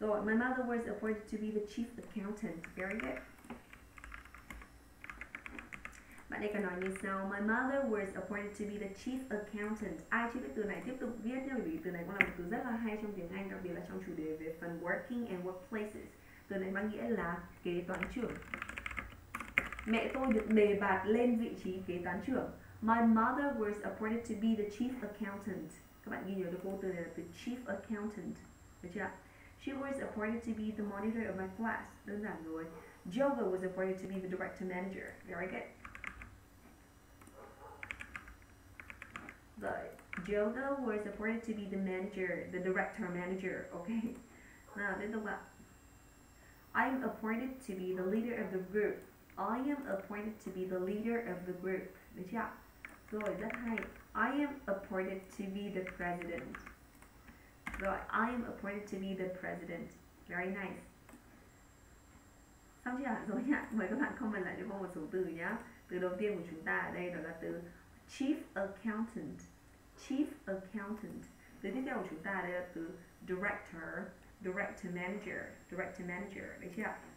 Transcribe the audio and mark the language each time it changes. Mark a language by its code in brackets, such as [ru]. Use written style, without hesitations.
[en] So my mother was appointed to be the chief accountant. Very good. [vi] Bạn ấy còn nói như sau. [en] My mother was appointed to be the chief accountant. [vi] Ai chưa biết từ này tiếp tục viết nhé, vì từ này cũng là một từ rất là hay trong tiếng Anh, đặc biệt là trong chủ đề về phần [en] working and workplaces. [vi] Từ này mang nghĩa là kế toán trưởng. Mẹ tôi được đề bạt lên vị trí kế toán trưởng. [en] My mother was appointed to be the chief accountant. [vi] Các bạn ghi nhớ cho cô từ này là the chief accountant. Được chưa? [en] She was appointed to be the monitor of my class. [vi] Đơn giản rồi. [en] Joga was appointed to be the director manager. Very good. Rồi. Joga was appointed to be the manager, the director manager. Ok. [vi] Nào, đến tục ạ. [en] I am appointed to be the leader of the group. I am appointed to be the leader of the group. [vi] Được chưa? Rồi, rất hay. [en] I am appointed to be the president. Rồi, I am appointed to be the president. Very nice. [vi] Xong chưa? Rồi nhá. Mời các bạn comment lại cho cô một số từ nhá. Từ đầu tiên của chúng ta ở đây đó là từ chief accountant. Chief accountant. Từ tiếp theo của chúng ta đây là từ director, director manager, director manager. Được chưa?